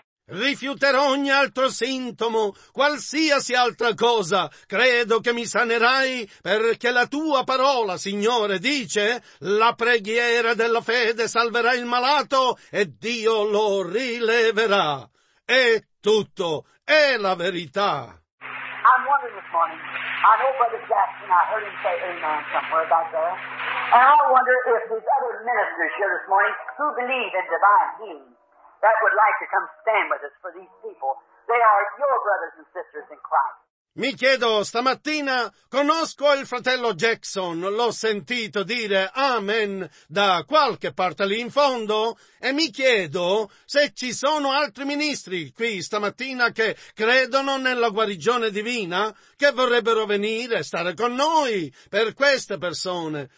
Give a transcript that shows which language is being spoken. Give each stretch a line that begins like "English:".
Italian: Rifiuterò ogni altro sintomo, qualsiasi altra cosa. Credo che mi sanerai, perché la tua parola, Signore, dice, la preghiera della fede salverà il malato e Dio lo rileverà. È tutto, è la verità.
English: I'm wondering this morning, I know Brother Jackson, I heard him say amen somewhere about there. And I wonder if these other ministers here this morning who believe in divine healing. That would like to come stand with us for these people. They are your brothers and sisters in Christ.
Italian: Mi chiedo stamattina, conosco il fratello Jackson, l'ho sentito dire Amen da qualche parte lì in fondo, e mi chiedo se ci sono altri ministri qui stamattina che credono nella guarigione divina, che vorrebbero venire e stare con noi per queste persone.